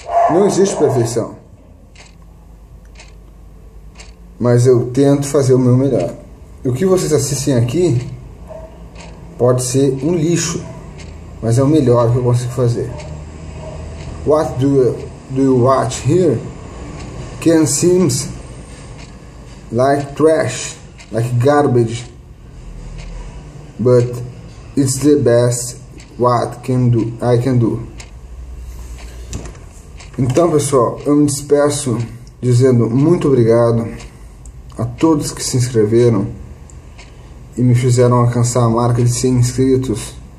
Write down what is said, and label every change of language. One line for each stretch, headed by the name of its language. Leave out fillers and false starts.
Portuguese: Não existe perfeição, mas eu tento fazer o meu melhor. O que vocês assistem aqui pode ser um lixo, mas é o melhor que eu consigo fazer.
English: What do you watch here can seem like trash, like garbage, but it's the best what can do, I can do.
Portuguese: Então, pessoal, eu me despeço dizendo muito obrigado a todos que se inscreveram e me fizeram alcançar a marca de 100 inscritos.